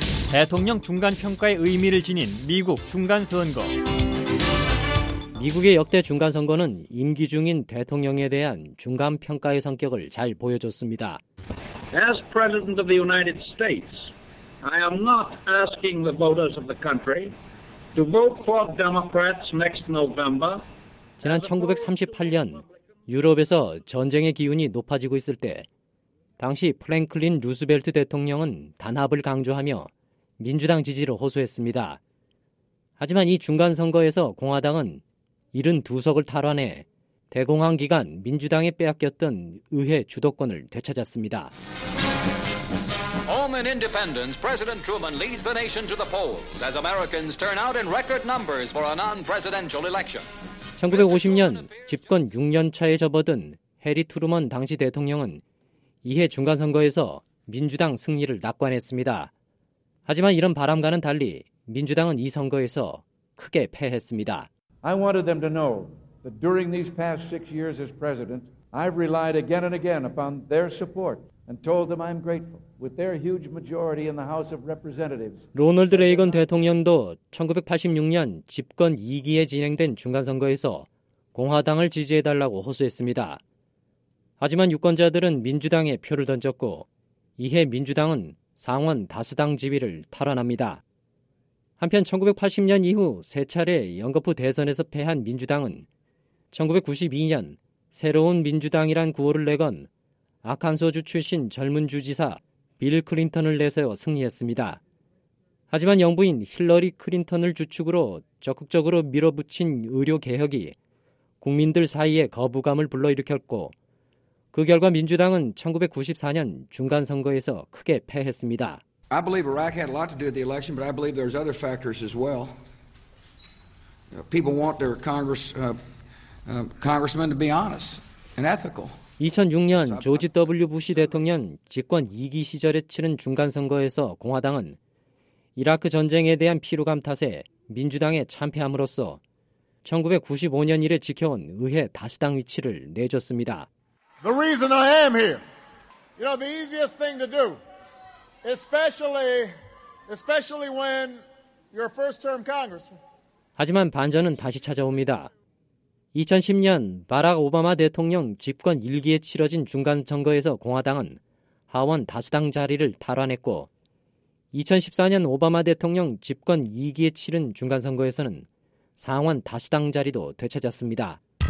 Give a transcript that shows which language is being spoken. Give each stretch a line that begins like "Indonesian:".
Korean: 대통령 중간 평가의 의미를 지닌 미국 중간 선거. 미국의 역대 중간 선거는 임기 중인 대통령에 대한 중간 평가의 성격을 잘 보여줬습니다.
English: As President of the United States, I am not asking the voters of the country to vote for Democrats next November.
Korean: 지난 1938년 유럽에서 전쟁의 기운이 높아지고 있을 때 당시 프랭클린 루스벨트 대통령은 단합을 강조하며 민주당 지지를 호소했습니다. 하지만 이 중간선거에서 공화당은 72석을 탈환해 대공황 기간 민주당에 빼앗겼던 의회 주도권을 되찾았습니다.
English: In independence, President Truman leads the nation to the polls as Americans turn out in record numbers for a non-presidential election.
Korean: 1950년 집권 6년 차에 접어든 해리 트루먼 당시 대통령은 이해 중간선거에서 민주당 승리를 낙관했습니다. 하지만 이런 바람과는 달리 민주당은 이 선거에서 크게 패했습니다.
English: I wanted them to know that during these past six years as president, I've relied again and again upon their support and told them I'm grateful. With their huge majority in the House of Representatives.
Korean: 로널드 레이건 대통령도 1986년 집권 2기에 진행된 중간선거에서 공화당을 지지해달라고 호소했습니다. 하지만 유권자들은 민주당에 표를 던졌고 이해 민주당은 상원 다수당 지위를 탈환합니다. 한편 1980년 이후 세 차례 연거푸 대선에서 패한 민주당은 1992년 새로운 민주당이란 구호를 내건 아칸소주 출신 젊은 주지사 빌 클린턴을 내세워 승리했습니다. 하지만 영부인 힐러리 클린턴을 주축으로 적극적으로 밀어붙인 의료개혁이 국민들 사이에 거부감을 불러일으켰고 그 결과 민주당은 1994년 중간선거에서 크게 패했습니다.
English: I believe Iraq had a lot to do with the election, but I believe there's other factors as well. People want their congressmen to be honest and ethical.
Korean: 2006년 조지 W. 부시 대통령 집권 2기 시절에 치른 중간선거에서 공화당은 이라크 전쟁에 대한 피로감 탓에 민주당에 참패함으로써 1995년 이래 지켜온 의회 다수당 위치를 내줬습니다.
English: The reason I am here, you know, the easiest thing to do, especially when you're a first-term congressman.
Korean: 하지만 반전은 다시 찾아옵니다. 2010년 바락 오바마 대통령 집권 1기에 치러진 중간선거에서 공화당은 하원 다수당 자리를 탈환했고 2014년 오바마 대통령 집권 2기에 치른 중간선거에서는 상원 다수당 자리도 되찾았습니다.